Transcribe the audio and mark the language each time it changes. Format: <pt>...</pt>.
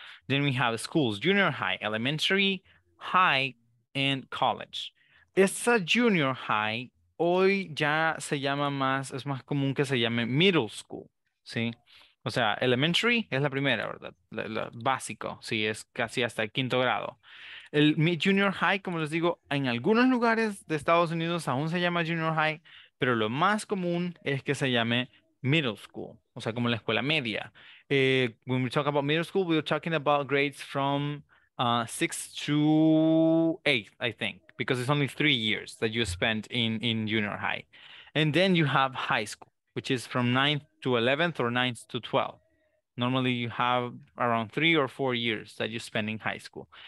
<en>Then we have schools, junior high, elementary, high, and college.</en> <es>Esa junior high, hoy ya se llama más, es más común que se llame middle school, ¿sí? O sea, elementary es la primera, ¿verdad? La básico, sí, es casi hasta el quinto grado. El junior high, como les digo, en algunos lugares de Estados Unidos aún se llama junior high, pero lo más común es que se llame middle school, o sea, como la escuela media.</es> <en>When we talk about middle school, we're talking about grades from 6 to 8, I think, because it's only 3 years that you spend in junior high. And then you have high school, which is from 9th to 11th or 9th to 12th. Normally you have around 3 or 4 years that you spend in high school.</en>